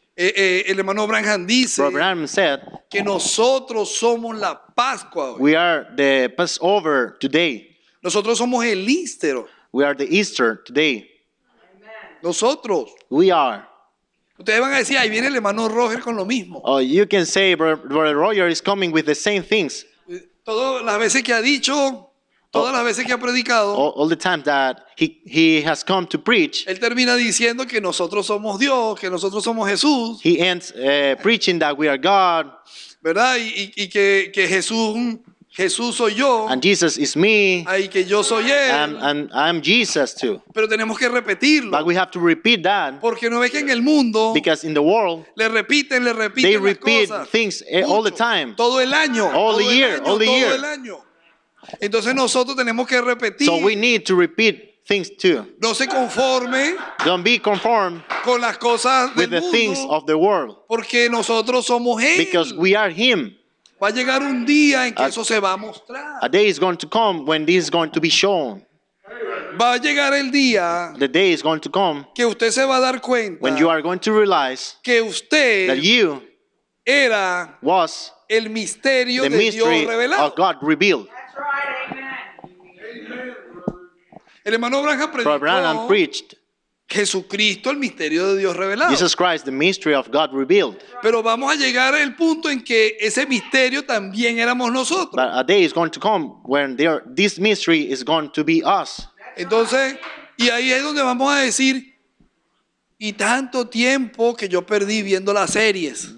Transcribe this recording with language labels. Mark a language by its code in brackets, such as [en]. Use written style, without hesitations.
[es] El hermano Branham dice [en] Branham said, [es] que nosotros somos la Pascua hoy. [en] We are the Passover today. [es] Nosotros somos el Easter. [en] We are the Easter today. [es] Nosotros. [en] We are. [es] Ustedes van a decir, ahí viene el hermano Roger con lo mismo. [en] Oh, you can say, Brother Roger is coming with the same things. [es] Todas las veces que ha dicho, todas las veces que ha predicado, [en] all the time that he has come to preach, [es] él termina diciendo que nosotros somos Dios, que nosotros somos Jesús. [en] He ends preaching that we are God, [es] ¿verdad? Y que Jesús soy yo, [en] and Jesus is me, [es] y que yo soy él, [en] and I'm Jesus too. [es] Pero tenemos que repetirlo, [en] but we have to repeat that, [es] porque no ves que en el mundo, [en] because in the world, [es] le repiten [en] they repeat things [es] mucho, [en] all the time, [es] todo el año, [en] all the year, [es] todo el año. Entonces nosotros tenemos que repetir. [en] So we need to repeat things too. [es] No se conforme. [en] Don't be conformed [es] con las cosas del [en] with the [es] mundo, [en] things of the world. [es] Porque nosotros somos él. [en] Because we are him. [es] Va a llegar un día en que eso se va a mostrar. [en] A day is going to come when this is going to be shown. [es] Va a llegar el día. [en] The day is going to come [es] que usted se va a dar cuenta. [en] When you are going to realize [es] que usted [en] that you [es] era [en] was [es] el misterio de Dios revelado. [en] Of God revealed. [es] El hermano [en] Branham preached [es] Jesucristo, el misterio de Dios revelado. [en] Jesus Christ, the mystery of God revealed. [es] Pero vamos a llegar al punto en que ese misterio también éramos nosotros. [en] But a day is going to come when this mystery is going to be us. [es] Entonces, y ahí es donde vamos a decir, y tanto tiempo que yo perdí viendo las series.